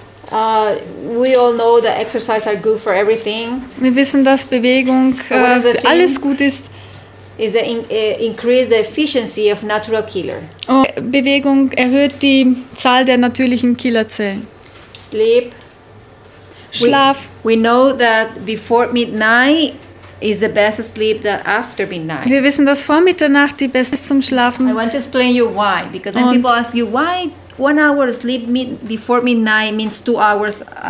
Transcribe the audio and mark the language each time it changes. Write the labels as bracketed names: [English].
[English] We all know that exercise are good for everything. [German] Wir wissen, dass Bewegung alles gut ist. [English] Is the increase the efficiency of natural killer. [German] Und Bewegung erhöht die Zahl der natürlichen Killerzellen. [English] Sleep. [German] Schlaf. [English] We know that before midnight is the best sleep that after midnight. [German] Wir wissen, dass vor Mitternacht die beste ist zum Schlafen. [English] I want to explain you why, because then people ask you why 1 hour sleep before midnight means 2 hours.